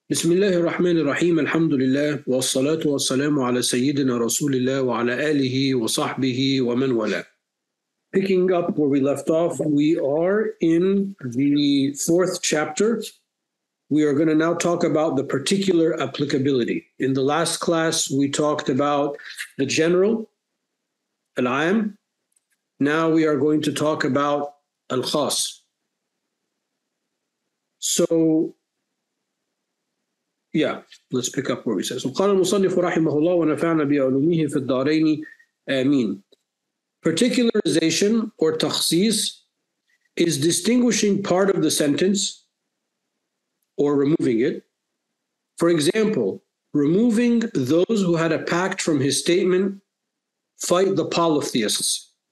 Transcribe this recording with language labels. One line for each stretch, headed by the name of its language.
Arabic: بسم الله الرحمن الرحيم الحمد لله والصلاة والسلام على سيدنا رسول الله وعلى آله وصحبه ومن والاه.
English: Picking up where we left off, we are in the fourth chapter. We are going to now talk about the particular applicability. In the last class, we talked about the general, al-aam. Now we are going to talk about al-khas. So, yeah, let's pick up where we say.
Arabic: قال المصنف رحمه الله ونفعنا بعلومه في الدارين آمين.
English: Particularization or takhsis is distinguishing part of the sentence or removing it. For example, removing those who had a pact from his statement, fight the polytheists.